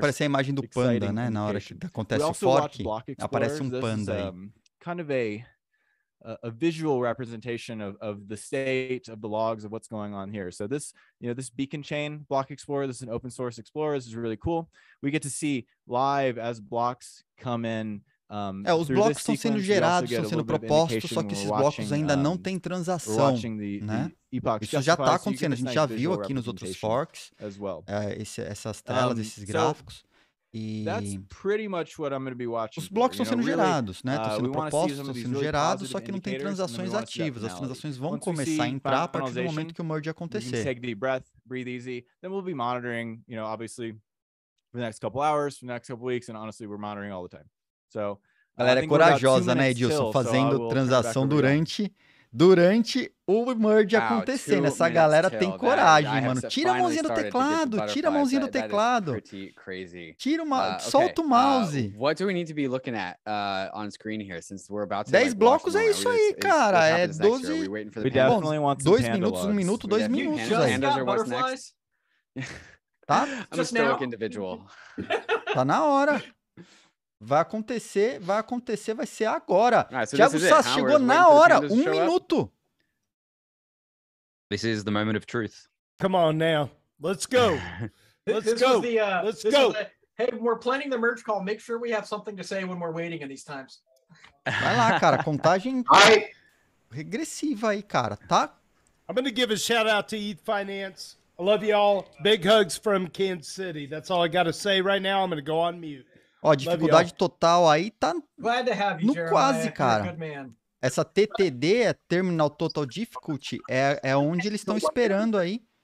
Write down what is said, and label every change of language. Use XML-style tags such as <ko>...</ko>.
<pt>Vai aparecer a imagem do panda, né? Na hora que acontece o fork, aparece panda aí.</pt> <en>Kind of a visual representation of the state of the logs of what's going on here. So this, you know, this beacon chain block explorer, this is an open source explorer. This is really cool. We get to see live as blocks come in.</en> <pt>É, os blocos estão sendo gerados, estão sendo propostos, só que esses blocos ainda não têm transação, né? Isso já está acontecendo. A gente já viu aqui nos outros forks, essas telas, esses gráficos.</pt> <en>That's pretty much what I'm going to be watching.</en> <pt>Os blocos estão sendo gerados, né? Estão sendo propostos, estão sendo gerados, só que não tem transações ativas. As transações vão começar a entrar a partir do momento que o merge acontecer.</pt> <en>Take a deep breath, breathe easy. Then we'll be monitoring, you know, obviously for the next couple hours, for the next couple weeks, and honestly, we're monitoring all the time. So,</en> <pt>galera, corajosa, né, Edilson, fazendo transação durante o merge acontecer. Essa galera tem coragem, mano. Tira a mãozinha do teclado. Tira a mãozinha do teclado. Tira uma, solta o mouse.</pt> <en>What do we need to be looking at on screen here, since we're about to</en> <pt>10 blocos é isso aí, cara. É 12. Bom, 2 minutos, 1 minuto, 2 minutos. Tá?</pt> <en>I'm a stoic individual.</en> <pt>Tá na hora. Vai acontecer, vai ser agora. Thiago Sass chegou na hora, 1 minuto.</pt> <en>This is the moment of truth. Come on now, let's go. Let's go. Hey, we're planning the merge call. Make sure we have something to say when we're waiting in these times.</en> <pt>Vai lá, cara, contagem regressiva aí, cara, tá?</pt> <en>I'm going to give a shout out to ETH Finance. I love y'all. Big hugs from Kansas City. That's all I got to say right now. I'm going to go on mute.</en> <pt>Ó, dificuldade total aí tá no quase, cara. Essa TTD, Terminal Total Difficulty, é onde eles estão esperando aí.</pt>